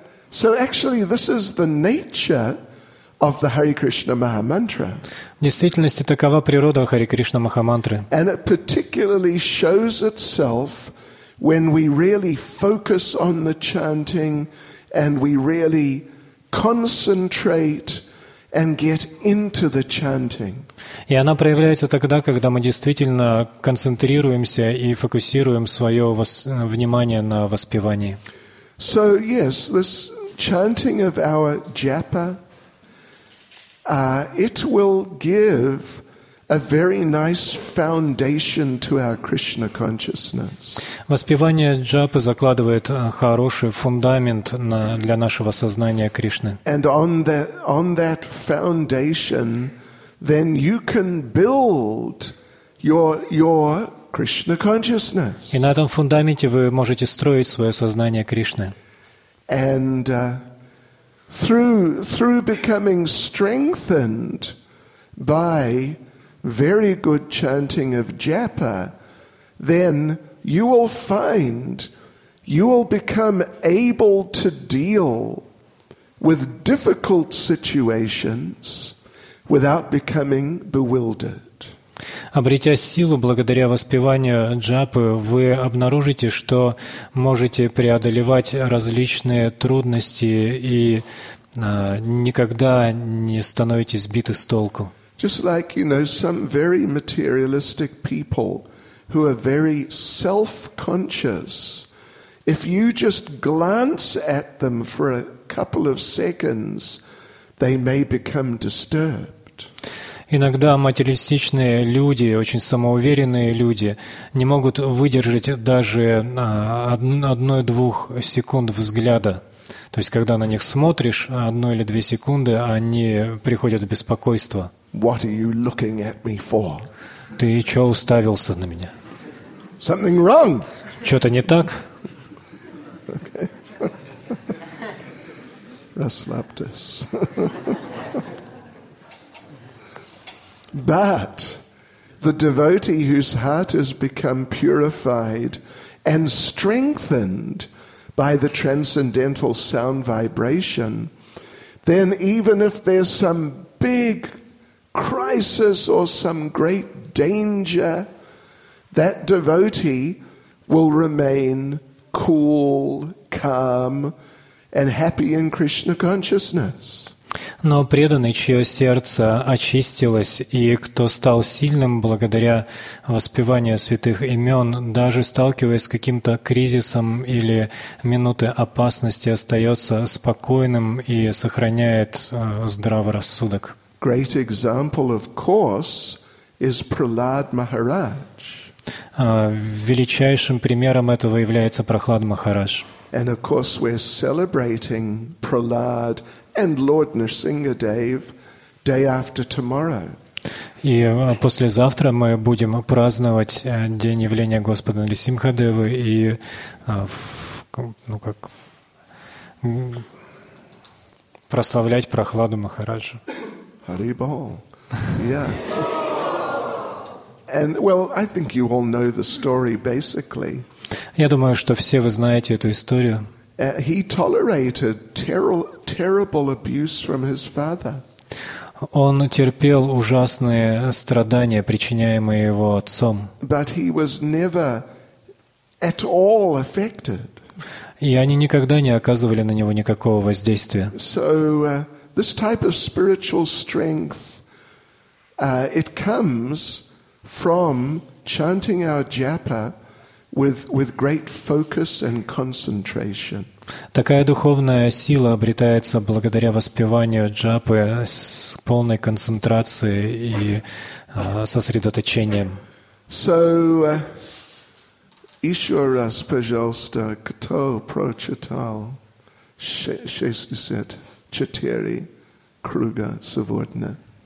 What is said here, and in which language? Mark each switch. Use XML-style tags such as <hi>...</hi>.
<en>So actually, this is the nature of the Hare Krishna Maha Mantra.</en> <ru>В действительности такова природа Хари Кришна Махамантры.</ru> <en>And it particularly shows itself when we really focus on the chanting and we really concentrate and get into the chanting.</en> <ru>И она проявляется тогда, когда мы действительно концентрируемся и фокусируем свое внимание на воспевании.</ru> <en>So yes, this chanting of our japa, it will give a very nice foundation to our Krishna consciousness.</en> <ru>Воспевание джапы закладывает хороший фундамент для нашего сознания Кришны.</ru> <en>And on that foundation, then you can build your Krishna consciousness.</en> <ru>И на этом фундаменте вы можете строить свое сознание Кришны.</ru> <en>And through becoming strengthened by very good chanting of japa, then you will find you will become able to deal with difficult situations without becoming bewildered.</en> <ru>Обретя силу благодаря воспеванию джапы, вы обнаружите, что можете преодолевать различные трудности и никогда не становитесь сбиты с толку.</ru> <en>Just like, you know, some very materialistic people who are very self-conscious, if you just glance at them for a couple of seconds, they may become disturbed.</en> <ru>Иногда материалистичные люди, очень самоуверенные люди, не могут выдержать даже одной-двух секунд взгляда. То есть, когда на них смотришь одну или две секунды, они приходят в беспокойство.</ru> <en>What are you looking at me for?</en> <ru>Ты чё уставился на меня?</ru> <en>Something wrong.</en> <ru>Чё-то не так? Okay. Расслабьтесь.</ru> <en>But the devotee whose heart has become purified and strengthened by the transcendental sound vibration, then even if there's some big crisis or some great danger, that devotee will remain cool, calm, and happy in Krishna consciousness.</en> <ru>Но преданный, чье сердце очистилось, и кто стал сильным благодаря воспеванию святых имен, даже сталкиваясь с каким-то кризисом или минутой опасности, остается спокойным и сохраняет здравый рассудок.</ru> <en>Great example, of course, is Prahlad Maharaj.</en> <ru>Величайшим примером этого является Прахлад Махарадж.</ru> <en>And of course we're celebrating Prahlad and Lord Narsingadev day after tomorrow.</en> <ru>И послезавтра мы будем праздновать день явления Господа Нарсимхадевы и прославлять Прахладу Махараджу. Харибол. Yeah.</ru> <en>And well, I think you all know the story basically.</en> <ru>Я думаю, что все вы знаете эту историю.</ru> <en>He tolerated terrible abuse from his father.</en> <ru>Он терпел ужасные страдания, причиняемые его отцом.</ru> <en>But he was never at all affected.</en> <ru>И они никогда не оказывали на него никакого воздействия.</ru> <en>So this type of spiritual strength it comes from chanting our japa with great focus and concentration.</en> <ru>Такая духовная сила обретается благодаря воспеванию джапы с полной концентрацией и сосредоточением. So, ещё раз, пожалуйста, кто прочитал 64 круга сегодня?</ru>